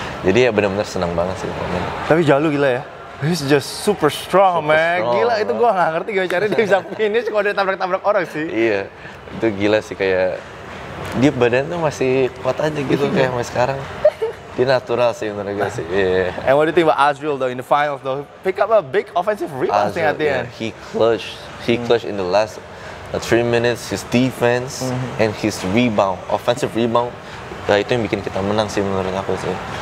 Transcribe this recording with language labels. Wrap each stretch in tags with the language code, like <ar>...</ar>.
<id>Jadi ya benar-benar senang banget sih. Man. Tapi Jalu gila ya?</id> <en>He's just super strong, super man.</en> <id>Strong, gila, itu gue gak ngerti gimana caranya dia bisa finish kalau dia tabrak-tabrak orang sih. Iya, itu gila sih kayak, dia badan tuh masih kuat aja gitu kayak sampai sekarang. Dia natural sih menurut gue sih. Yeah.</id> <en>And what do you think about Azriel though in the finals though? Pick up a big offensive rebound thing at the end. He clutch. He clutch in the last 3 minutes, his defense and his rebound, offensive rebound.</en> <id>Nah, itu yang bikin kita menang sih menurut aku sih.</id>